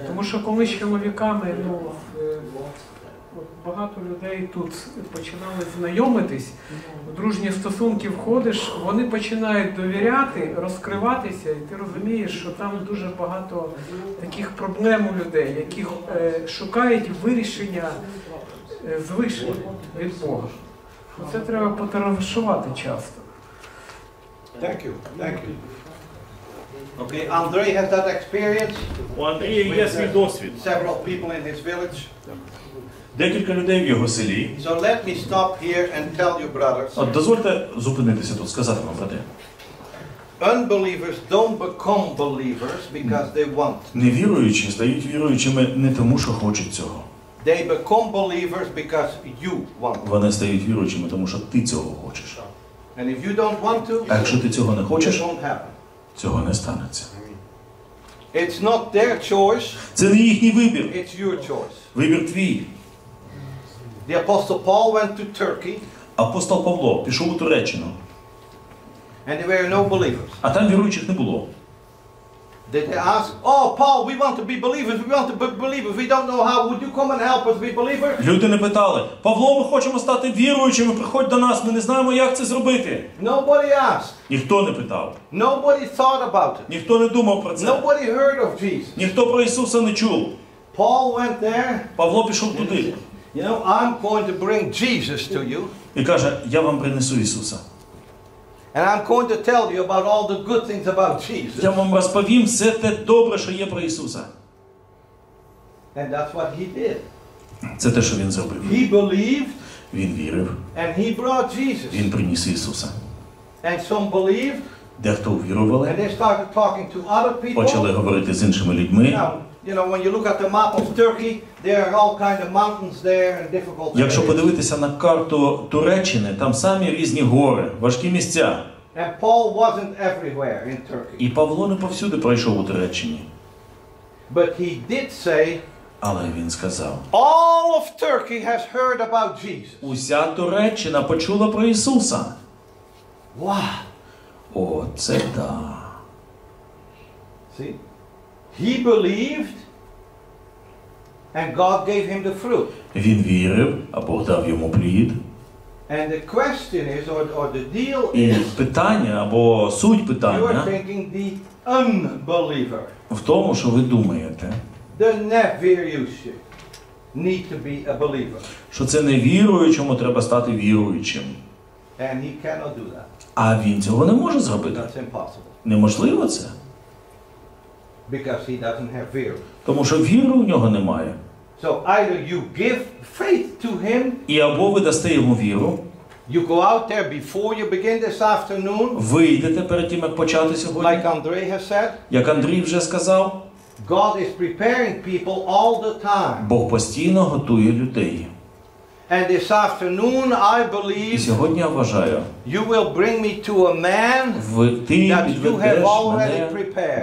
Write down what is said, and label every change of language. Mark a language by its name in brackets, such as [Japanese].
[Ukrainian] Тому що коли з чоловіками, ну, багато людей тут починали знайомитись, в дружні стосунки входиш, вони починають довіряти, розкриватися, і ти розумієш, що там дуже багато таких проблем у людей, які шукають вирішення звише від Бога. Це треба потерпішувати часто. Дякую. [English] Okay, Andrei has that experience. [Ukrainian] У Андрія є свій досвід. [English] Several people in his village. [Ukrainian] Декілька людей в його селі. [English] So let me stop here and tell you, brothers. [Ukrainian] От дозвольте зупинитися тут, сказати вам, брати. [English] Unbelievers don't become believers because they want. [Ukrainian] Невіруючі стають віруючими не тому, що хочуть цього. [English] They become believers because you want. [Ukrainian] Вони стають віруючими тому, що ти цього хочеш. [English] And if you don't want to, [Ukrainian] а якщо ти цього не хочеш, [English] it won't happen. [Ukrainian] Цього не станеться. [English] It's not their choice. [Ukrainian] Це не їхній вибір. [English] It's your choice. [Ukrainian] Вибір твій. [English] The apostle Paul went to Turkey. [Ukrainian] Апостол Павло пішов у Туреччину. [English] And there were no believers. [Ukrainian] А там віруючих не було. [English] Did they ask, oh, Paul, we want to be believers, we want to be believers, we don't know how, would you come and help us be believers? [Ukrainian] Люди не питали, Павло, ми хочемо стати віруючими, приходь до нас, ми не знаємо, як це зробити. [English] Nobody asked. [Ukrainian] Ніхто не питав. [English] Nobody thought about it. [Ukrainian] Ніхто не думав про це. [English] Nobody heard of Jesus. [Ukrainian] Ніхто про Ісуса не чув. [English] Paul went there. [Ukrainian] Павло пішов туди. [English] You know, I'm going to bring Jesus to you. [Ukrainian] І каже, я вам принесу Ісуса. [English] And I'm going to tell you about all the good things about Jesus. [Ukrainian] Я вам розповім все те добре, що є про Ісуса. [English] And that's what he did. [Ukrainian] Це те, що він зробив. [English] He believed. [Ukrainian] Він вірив. [English] And he brought Jesus. [Ukrainian] Він приніс Ісуса. [English] And some believed. [Ukrainian] Дехто увірували. [English] And they started talking to other people. [Ukrainian] Почали говорити з іншими людьми. [English] You know, when you look at the map of Turkey, there are all kind of mountains there and difficult areas. [Ukrainian] Якщо подивитися на карту Туреччини, там самі різні гори, важкі місця. [English] And Paul wasn't everywhere in Turkey. [Ukrainian] І Павло не повсюди пройшов у Туреччині. [English] But he did say, [Ukrainian] але він сказав, [English] all of Turkey has heard about Jesus. [Ukrainian] Уся Туреччина почула про Ісуса. [English] Wow. [Ukrainian] Оце да. [English] See? He believed and God gave him the fruit. [Ukrainian] Він вірив, а Бог дав йому плід. [English] And the question is or the deal is. [Ukrainian] Питання або суть питання. [English] You are thinking the unbeliever. [Ukrainian] В тому, що ви думаєте. [English] The невіруючий need to be a believer. [Ukrainian] Що це невіруючому треба стати віруючим. [English] And he cannot do that. [Ukrainian] А він цього не може зробити. [English] That's impossible. [Ukrainian] Неможливо це. [English] Because he doesn't have fear. [Ukrainian] Тому що віри у нього немає. [English] So either you give faith to him. [Ukrainian] І або ви дасте йому віру. [English] You go out there before you begin this afternoon. [Ukrainian] Вийдете перед тим, як почати сьогодні. [English] Like Andrei has said. [Ukrainian] Як Андрій вже сказав. [English] God is preparing people all the time. [Ukrainian] Бог постійно готує людей. [English] And this afternoon I believe. [Ukrainian] І сьогодні я вважаю. [English] You will bring me to a man that you have already prepared.